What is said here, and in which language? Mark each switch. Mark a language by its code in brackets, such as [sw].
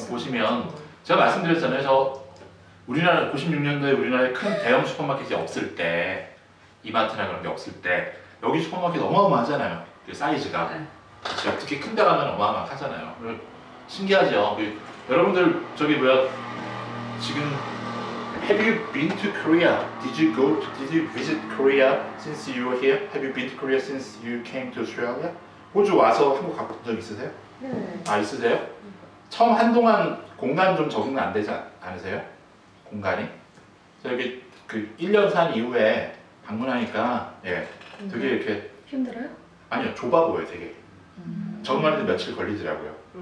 [ko] 보시면 제가 말씀드렸잖아요. 저 우리나라 96년도에 우리나라에 큰 대형 슈퍼마켓이 없을 때 이마트나 그런 게 없을 때 여기 슈퍼마켓 어마어마하잖아요. 그 사이즈가. 그쵸? 특히 큰 데 가면 어마어마하잖아요. 신기하죠. 여러분들 저기 뭐야 지금 [en] Have you been to Korea? Did you visit Korea since you were here? Have you been to Korea since you came to Australia? [ko] 호주 와서 한국 가본 적 있으세요? 네. 아, 있으세요? 처음 한동안 공간 좀 적응 안 되지 않으세요? 공간이? 저기 그 1년 산 이후에 방문하니까 예, 되게 이렇게 힘들어요? 아니요, 좁아 보여요, 되게. 적응하는데 며칠 걸리더라고요.